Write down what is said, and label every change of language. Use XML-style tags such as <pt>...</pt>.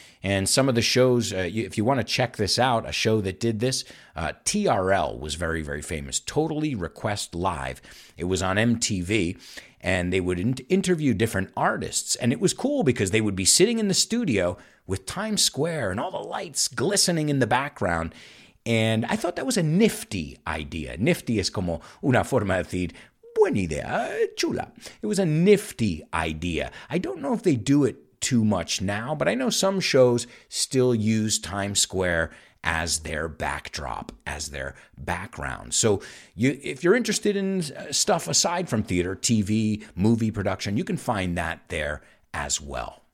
<en>And some of the shows, if you want to check this out, a show that did this, TRL was very, very famous, Totally Request Live. It was on MTV, and they would interview different artists. And it was cool because they would be sitting in the studio with Times Square and all the lights glistening in the background. And I thought that was a nifty idea.</en> <es>Nifty es como una forma de decir, buena idea, chula.</es> <en>It was a nifty idea. I don't know if they do it too much now, but I know some shows still use Times Square as their backdrop, as their background. So if you're interested in stuff aside from theater, TV, movie production, you can find that there as well.</en>